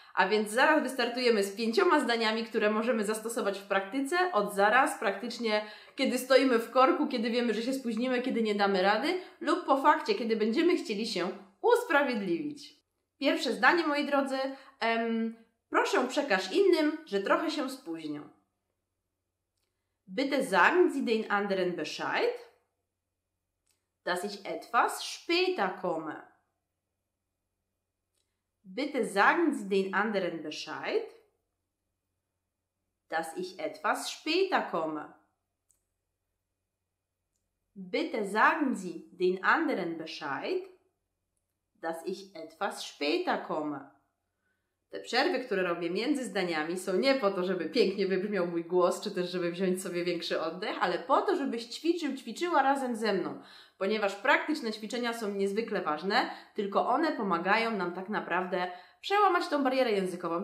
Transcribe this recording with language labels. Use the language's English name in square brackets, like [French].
[Polish] A więc zaraz wystartujemy z 5 zdaniami, które możemy zastosować w praktyce, od zaraz, praktycznie kiedy stoimy w korku, kiedy wiemy, że się spóźnimy, kiedy nie damy rady lub po fakcie, kiedy będziemy chcieli się usprawiedliwić. Pierwsze zdanie, moi drodzy, proszę przekaż innym, że trochę się spóźnią. [German] Bitte sagen Sie den anderen Bescheid, dass ich etwas später komme. Bitte sagen Sie den anderen Bescheid, dass ich etwas später komme. Bitte sagen Sie den anderen Bescheid, dass ich etwas später komme. [Polish] Te przerwy, które robię między zdaniami, są nie po to, żeby pięknie wybrzmiał mój głos, czy też żeby wziąć sobie większy oddech, ale po to, żebyś ćwiczyła razem ze mną. Ponieważ praktyczne ćwiczenia są niezwykle ważne, tylko one pomagają nam tak naprawdę przełamać tą barierę językową.